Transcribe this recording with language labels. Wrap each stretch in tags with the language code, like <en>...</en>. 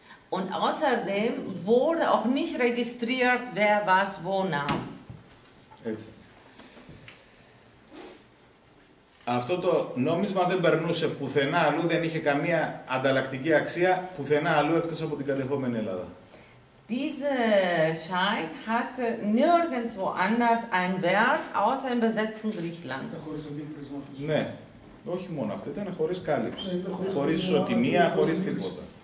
<de>Und außerdem wurde auch nicht registriert, wer was wo nahm. Jetzt.</de> <el>Αυτό το νόμισμα δεν περνούσε πουθενά αλλού, δεν είχε καμία ανταλλακτική αξία πουθενά αλλού εκτός από την κατεχόμενη Ελλάδα.</el> <de>Diese Schein hatte nirgendwo anders einen Wert außer im besetzten Griechenland.</de> <el>Ναι, όχι μόνο αυτό, ήταν χωρίς κάλυψη, χωρίς ισοτιμία, χωρίς τίποτα.</el>